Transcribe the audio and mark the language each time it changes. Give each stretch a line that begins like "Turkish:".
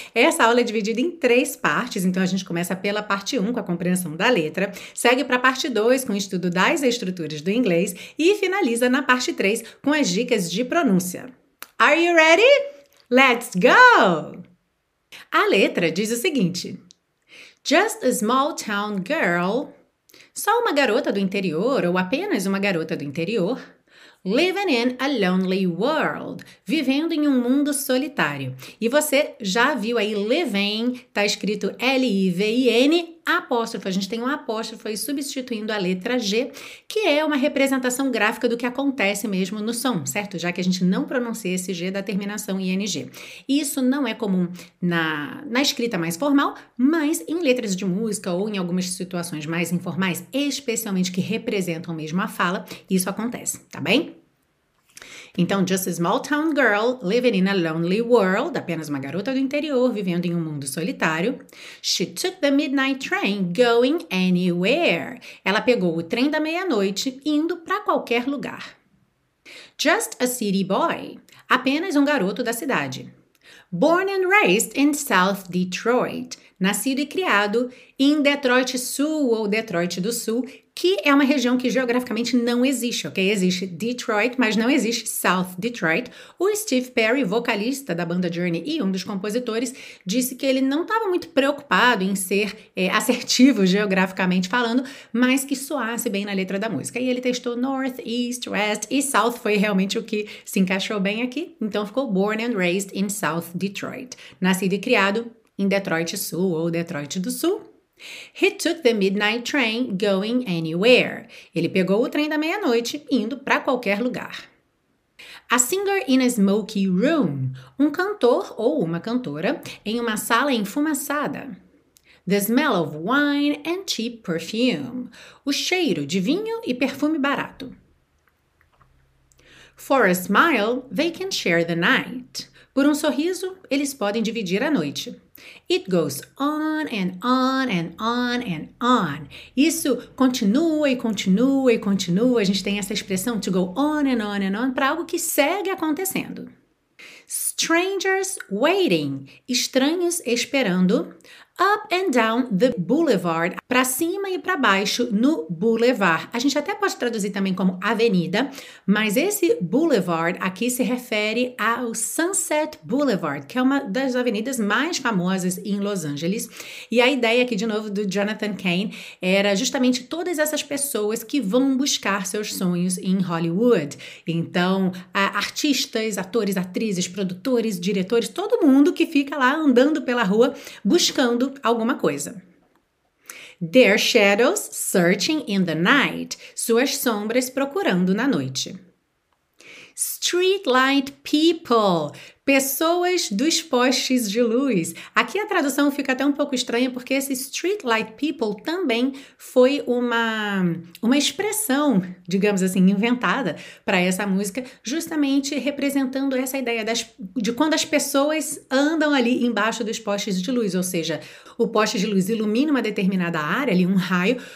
Portuguese: Essa aula é dividida em três partes, então a gente começa pela parte 1, com a compreensão da letra, segue para a parte 2, com o estudo das estruturas do inglês, e finaliza na parte 3, com as dicas de pronúncia.
English: Are you ready? Let's go!
Portuguese: A letra diz o seguinte:
English: Just a small town girl.
Portuguese: Só uma garota do interior, ou apenas uma garota do interior.
English: Living in a lonely world.
Portuguese: Vivendo em um mundo solitário. E você já viu aí, living, tá escrito L-I-V-I-N, apóstrofo. A gente tem um apóstrofo aí substituindo a letra G, que é uma representação gráfica do que acontece mesmo no som, certo? Já que a gente não pronuncia esse G da terminação ING. Isso não é comum na escrita mais formal, mas em letras de música ou em algumas situações mais informais, especialmente que representam mesmo a fala, isso acontece, tá bem? Então,
English: just a small town girl living in a lonely world,
Portuguese: apenas uma garota do interior vivendo em um mundo solitário.
English: She took the midnight train going anywhere.
Portuguese: Ela pegou o trem da meia-noite indo para qualquer lugar.
English: Just a city boy,
Portuguese: apenas um garoto da cidade.
English: Born and raised in South Detroit,
Portuguese: nascido e criado em Detroit Sul ou Detroit do Sul, que é uma região que geograficamente não existe, ok? Existe Detroit, mas não existe South Detroit. O Steve Perry, vocalista da banda Journey e um dos compositores, disse que ele não estava muito preocupado em ser assertivo geograficamente falando, mas que soasse bem na letra da música. E ele testou North, East, West e South foi realmente o que se encaixou bem aqui. Então ficou
English: Born and Raised in South Detroit.
Portuguese: Nascido e criado em Detroit Sul ou Detroit do Sul.
English: He took the midnight train going anywhere.
Portuguese: Ele pegou o trem da meia-noite indo para qualquer lugar.
English: A singer in a smoky room.
Portuguese: Um cantor ou uma cantora em uma sala enfumaçada.
English: The smell of wine and cheap perfume.
Portuguese: O cheiro de vinho e perfume barato.
English: For a smile, they can share the night.
Portuguese: Por um sorriso, eles podem dividir a noite.
English: It goes on and on and on and on.
Portuguese: Isso continua e continua e continua. A gente tem essa expressão
English: to go on and on
Portuguese: para algo que segue acontecendo.
English: Strangers waiting.
Portuguese: Estranhos esperando.
English: Up and down the boulevard.
Portuguese: Para cima e para baixo no boulevard. A gente até pode traduzir também como avenida, mas esse boulevard aqui se refere ao Sunset Boulevard, que é uma das avenidas mais famosas em Los Angeles. E a ideia aqui, de novo, do Jonathan Cain era justamente todas essas pessoas que vão buscar seus sonhos em Hollywood. Então, artistas, atores, atrizes, produtores, diretores, todo mundo que fica lá andando pela rua buscando alguma coisa.
English: Their shadows searching in the night.
Portuguese: Suas sombras procurando na noite.
English: Streetlight people.
Portuguese: Pessoas dos postes de luz. Aqui a tradução fica até um pouco estranha, porque esse streetlight people também foi uma expressão, digamos assim, inventada para essa música, justamente representando essa ideia de quando as pessoas andam ali embaixo dos postes de luz, ou seja, o poste de luz ilumina uma determinada área ali, um raio.